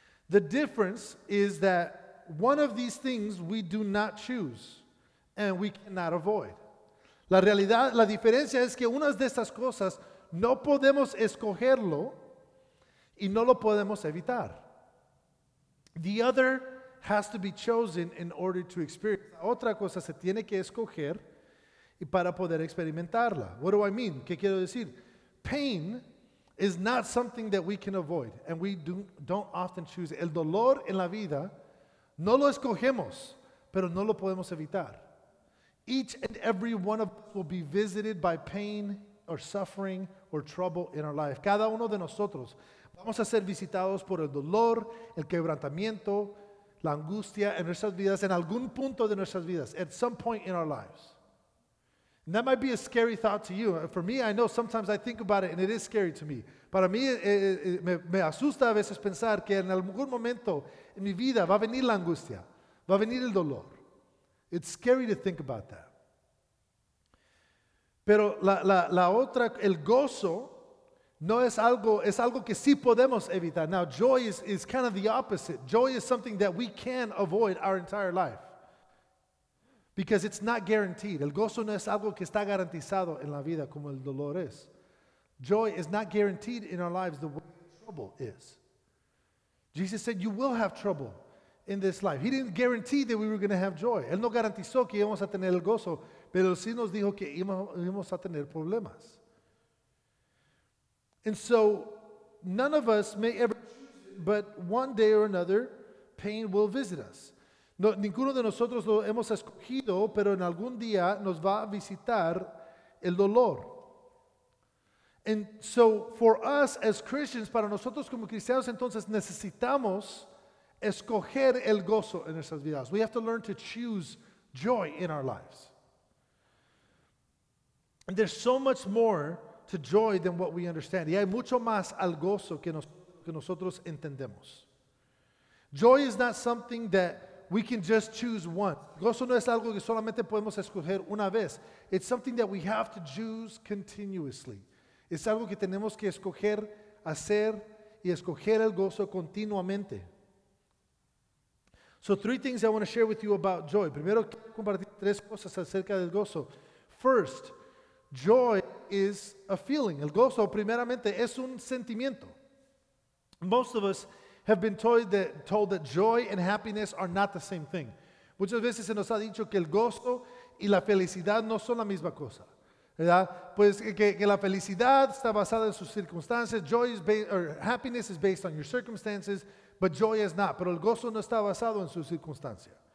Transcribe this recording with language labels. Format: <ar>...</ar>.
<en>The difference is that one of these things we do not choose and we cannot avoid.</en> <es>La realidad, la diferencia es que unas de estas cosas no podemos escogerlo y no lo podemos evitar.</es> <en>The other has to be chosen in order to experience.</en> <es>La otra cosa se tiene que escoger y para poder experimentarla.</es> <en>What do I mean?</en> <es>¿Qué quiero decir?</es> <en>Pain is not something that we can avoid, and we don't often choose it.</en> <es>El dolor en la vida, no lo escogemos, pero no lo podemos evitar.</es> <en>Each and every one of us will be visited by pain or suffering or trouble in our life.</en> <es>Cada uno de nosotros vamos a ser visitados por el dolor, el quebrantamiento, la angustia en nuestras vidas, en algún punto de nuestras vidas,</es> <en>at some point in our lives. And that might be a scary thought to you. For me, I know sometimes I think about it and it is scary to me.</en> <es>Para mí, me asusta a veces pensar que en algún momento en mi vida va a venir la angustia, va a venir el dolor.</es> <en>It's scary to think about that.</en> <es>Pero la otra, el gozo, no es algo, es algo que sí podemos evitar.</es> <en>Now, joy is kind of the opposite. Joy is something that we can avoid our entire life. Because it's not guaranteed.</en> <es>El gozo no es algo que está garantizado en la vida como el dolor es.</es> <en>Joy is not guaranteed in our lives the way trouble is. Jesus said, you will have trouble in this life. He didn't guarantee that we were going to have joy.</en> <es>Él no garantizó que íbamos a tener el gozo, pero sí nos dijo que íbamos a tener problemas.</es> <en>And so, none of us may ever choose, but one day or another, pain will visit us.</en> <es>No, ninguno de nosotros lo hemos escogido, pero en algún día nos va a visitar el dolor.</es> <en>And so, for us as Christians,</en> <es>para nosotros como cristianos, entonces necesitamos escoger el gozo en nuestras vidas.</es> <en>We have to learn to choose joy in our lives. And there's so much more to joy than what we understand.</en> <es>Y hay mucho más al gozo que nosotros entendemos.</es> <en>Joy is not something that we can just choose once.</en> <es>Gozo no es algo que solamente podemos escoger una vez.</es> <en>It's something that we have to choose continuously.</en> <es>Es algo que tenemos que escoger hacer y escoger el gozo continuamente.</es> <en>So three things I want to share with you about joy.</en> <es>Primero, quiero compartir tres cosas acerca del gozo.</es> <en>First, joy is a feeling.</en> <es>El gozo, primeramente, es un sentimiento.</es> <en>Most of us have been told that joy and happiness are not the same thing.</en> <es>Muchas veces se nos ha dicho que el gozo y la felicidad no son la misma cosa. ¿Verdad? Pues que la felicidad está basada en sus circunstancias.</es> <en>Joy is happiness is based on your circumstances, but joy is not.</en> <es>Pero el gozo no está basado en su circunstancia.</es>